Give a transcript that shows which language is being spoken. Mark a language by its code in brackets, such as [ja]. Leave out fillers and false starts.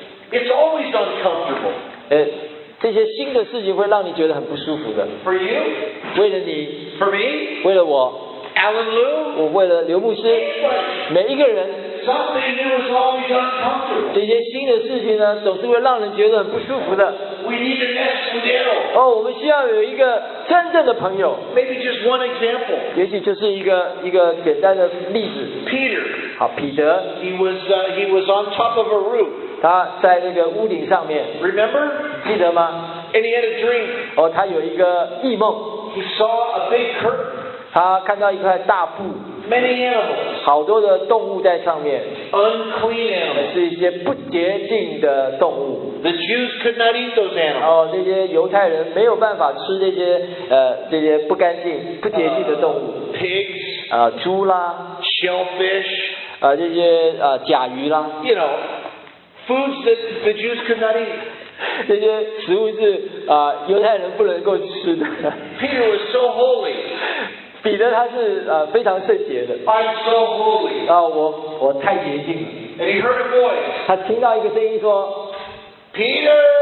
[en] It's always uncomfortable. [zh] 这些新的事情会让你觉得很不舒服的。 [en] For you， [zh] 为了你。 [en] For me， [zh] 为了我。 [en] Alan Liu， [zh] 我为了刘牧师。每一个人。 [en] Something new is always uncomfortable。 [zh] 这些新的事情呢，总是会让人觉得很不舒服的。 [en] We need an escudero。 [zh] 我们需要有一个真正的朋友。 [en] Maybe just one example。 [zh] 也许就是一个简单的例子。 [en] Peter。 [zh] 好，彼得。 [en] He was on top of a roof。 [zh] 他在那个屋顶上面 [en] ，Remember， [zh] 记得吗 [en] ？And he had a dream。 [zh] 他有一个异梦。 [en] He saw a big curtain。 [zh] 他看到一块大布。 [en] Many animals。 [zh] 好多的动物在上面。 [en] Unclean animals。 [zh] 是一些不洁净的动物。 [en] The Jews could not eat those animals。 [zh] 那些犹太人没有办法吃那些这些不干净、不洁净的动物。 [en] Pigs。 [zh] 猪啦。 [en] Shellfish。 [zh] 这些甲鱼啦。 [en] You know。 Foods that the Jews could not eat. [zh] 这些食物是犹太人不能够吃的。 [en] Peter was so holy. [zh] 彼得他是非常圣洁的。 [en] I'm so holy. [zh] 我太洁净了。 [en] And he heard a voice. [zh] 他听到一个声音说 [en] ，Peter.